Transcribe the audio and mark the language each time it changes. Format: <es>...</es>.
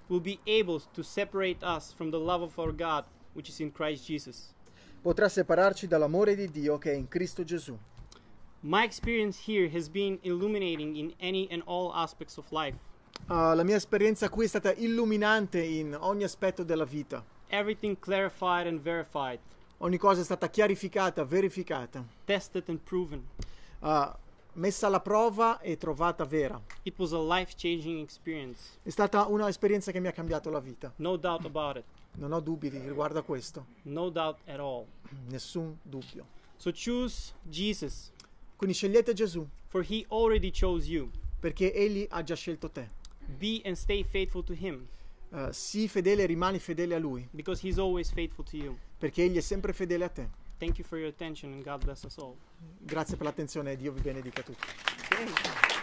<en>will be able to separate us from the love of our God which is in Christ Jesus.</en> <it>Potrà separarci dall'amore di Dio che è in Cristo Gesù.</it> <en>My experience here has been illuminating in any and all aspects of life.</en> <it>La mia esperienza qui è stata illuminante in ogni aspetto della vita.</it> <en>Everything clarified and verified.</en> <it>Ogni cosa è stata chiarificata, verificata.</it> <en>Tested and proven.</en> <it>Messa alla prova e trovata vera.</it> <en>It was a life-changing experience.</en> <it>È stata un'esperienza che mi ha cambiato la vita.</it> <en>No doubt about it.</en> <it>Non ho dubbi riguardo a questo.</it> <en>No doubt at all.</en> <it>Nessun dubbio.</it> <en>So choose Jesus.</en> <it>Quindi scegliete Gesù.</it> <en>For he already chose you.</en> <it>Perché egli ha già scelto te.</it> <en>Be and stay faithful to him.</en> <it>Sii fedele e rimani fedele a lui.</it> <en>Because he's always faithful to you.</en> <it>Perché egli è sempre fedele a te.</it> <en>Thank you for your attention and God bless us all.</en> <it>Grazie per l'attenzione e Dio vi benedica tutti.</it>